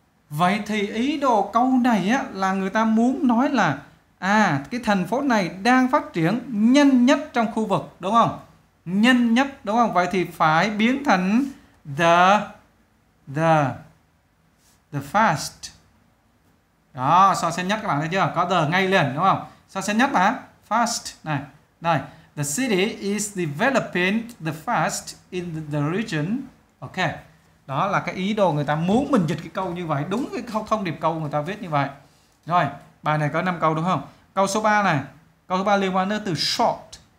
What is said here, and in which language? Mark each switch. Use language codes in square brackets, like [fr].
[vi] Vậy thì ý đồ câu này á là người ta muốn nói là cái thành phố này đang phát triển nhanh nhất trong khu vực, đúng không? Nhanh nhất, đúng không? Vậy thì phải biến thành the fast. Đó, so sánh nhất các bạn thấy chưa? Có the ngay liền, đúng không? So sánh nhất mà fast này. Đây. [en] The city is developing the fast in the region. Ok. [vi] Đó là cái ý đồ người ta muốn mình dịch cái câu như vậy. Đúng cái thông điệp câu người ta viết như vậy. Rồi, bài này có 5 câu đúng không? Câu số 3 này. Câu số 3 liên quan đến từ short.